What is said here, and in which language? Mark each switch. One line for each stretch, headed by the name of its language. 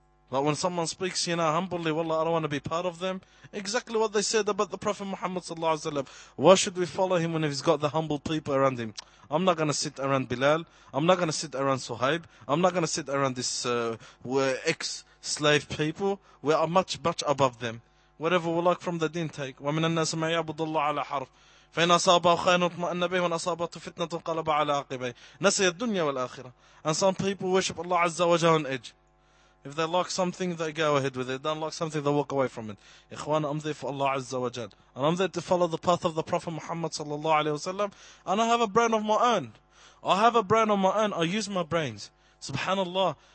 English: But when someone speaks, you know, humbly, wallah, I don't want to be part of them. Exactly what they said about the Prophet Muhammad sallallahu alaihi wasallam. Why should we follow him when he's got the humble people around him? I'm not going to sit around Bilal. I'm not going to sit around Suhaib. I'm not going to sit around this ex-slave people. We are much, much above them. Whatever we like from the deen, take.
Arabic: وَمِنَ النَّاسِ مَا يَعْبُدُ اللَّهَ عَلَى حَرْفٍ. فإن أصابه خير اطمأن به وإن أصابته فتنة انقلب على عقبيه. نسي الدنيا والآخرة.
English: And some people worship Allah Azza wa Jalla on edge. If they like something, they go ahead with it. If they don't like something, they walk away from it. Ikhwan, I'm there for Allah Azza wa Jal. And I'm there to follow the path of the Prophet Muhammad sallallahu alayhi wa sallam. And I have a brain of my own. I have a brain of my own. I use my brains. Subhanallah.